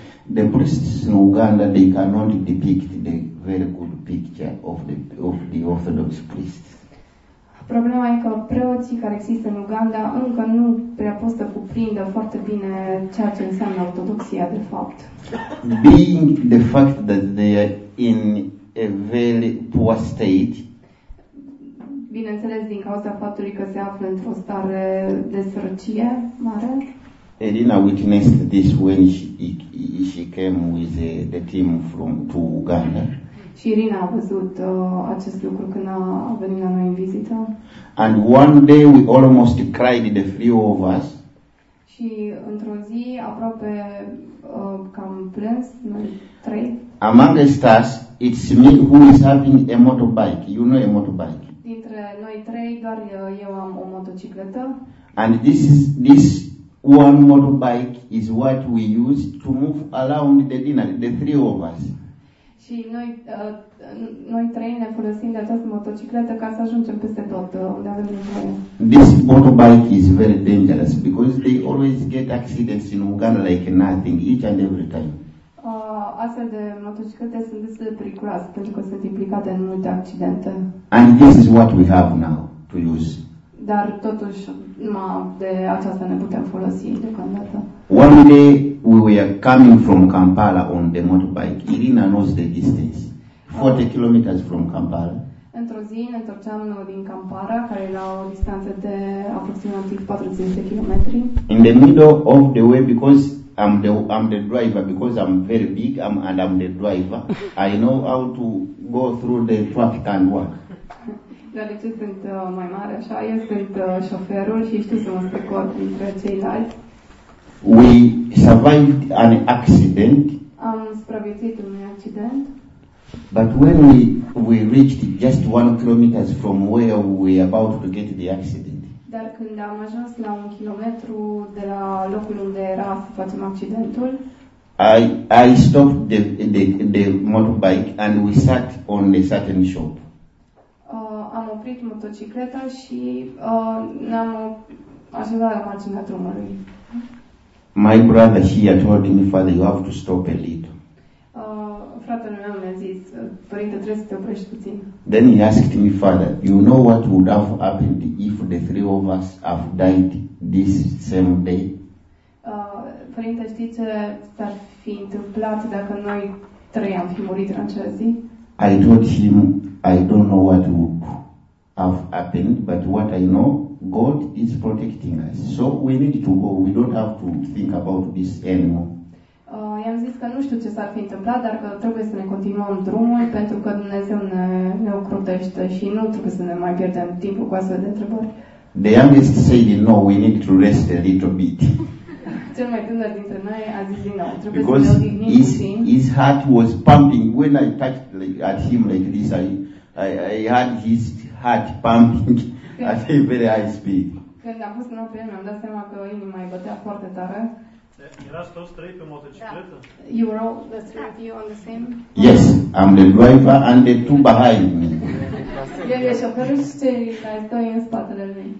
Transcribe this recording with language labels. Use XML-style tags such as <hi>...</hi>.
<en>The priests in Uganda, they cannot depict the very good picture of the Orthodox priests.</en> <ro>Problema e că preoții care există în Uganda încă nu prea pot să cuprindă foarte bine ceea ce înseamnă Ortodoxia, de fapt.</ro> <en>Being the fact that they are in a very poor state,</en> <ro>bineînțeles, din cauza faptului că se află într-o stare de sărăcie mare.</ro> <en>Elena witnessed this when she came with the team from to Uganda.</en> <ro>Și Irina a văzut acest lucru când a venit la noi în vizită.</ro> <en>And one day we almost cried, the few of us.</en> <ro>Și într-o zi aproape cam plâns noi trei.</ro> <en>Among us, it's me who is having a motorbike. You know a motorbike.</en> <ro>Dintre noi trei, doar eu am o motocicletă.</ro> <en>And this one motorbike is what we use to move around the dinner, the three of us.</en> <ro>Și noi trei ne folosim de această motocicletă ca să ajungem peste tot unde avem nevoie.</ro> <en>This motorbike is very dangerous because they always get accidents in Uganda like nothing, each and every time.</en> <ro>Astfel de motociclete sunt destul de periculoase pentru că sunt implicate în multe accidente.</ro> <en>And this is what we have now to use.</en> <ro>Dar totuși numai de aceasta ne putem folosi deocamdată.</ro> <en>One day we were coming from Kampala on the motorbike. Irina knows the distance. 40 kilometers from Kampala.</en> <ro>Într-o zi ne întorceam din Kampala, care e la o distanță de aproximativ 40 de kilometri.</ro> <en>In the middle of the way, because I'm the driver, because I'm very big and I'm the driver, I know how to go through the traffic and work.</en> <ro>Deoarece sunt mai mare așa, eu sunt șoferul și știu să mă strecor dintre ceilalți.</ro> <en>We survived an accident.</en> <ro>am supraviețuit unui accident.</ro> <en>But when we reached just 1 kilometer from where we were about to get the accident.</en> <ro>Dar când am ajuns la 1 kilometer de la locul unde era să facem accidentul.</ro> <en>I stopped the motorbike and we sat on a certain shop.</en> <ro>Am oprit motocicleta și ne-am așezat la marginea drumului.</ro> <en>My brother here told me, Father, you have to stop a little.</en> <ro>Fratele meu mi-a zis, părinte, trebuie să te oprești puțin.</ro> <en>Then he asked me, Father, you know what would have happened if the 3 of us have died this same day?</en> <ro>Părinte, știi ce s-ar fi întâmplat dacă noi 3 am fi murit în acea zi?</ro> <en>I told him, I don't know what would have happened, but what I know, God is protecting us. So we need to go. We don't have to think about this anymore.</en> <ro>I-am zis că nu știu ce s-ar fi întâmplat, dar că trebuie să ne continuăm drumul pentru că Dumnezeu ne ocrotește și nu trebuie să ne mai pierdem timpul cu astfel de întrebări.</ro> <en>The youngest said, no, we need to rest a little bit.</en> <ro>Cel mai tânăr dintre noi a zis din nou, trebuie</ro> <en>because</en> <ro>să ne odihnim puțin.</ro> <en>His heart was pumping when I touched at him like this. I had his heart pumping at a very high speed.</en> <ro>Când am fost în oprire, mi-am dat seama că inima îi bătea foarte tare. Erați toți 3 pe motocicletă? Da.</ro> <en>You were all the 3 of you on the same? Yes, I'm the driver and the 2 behind me.</en> <ro>El e șoferul și ceilalți 2 în spatele lui.</ro>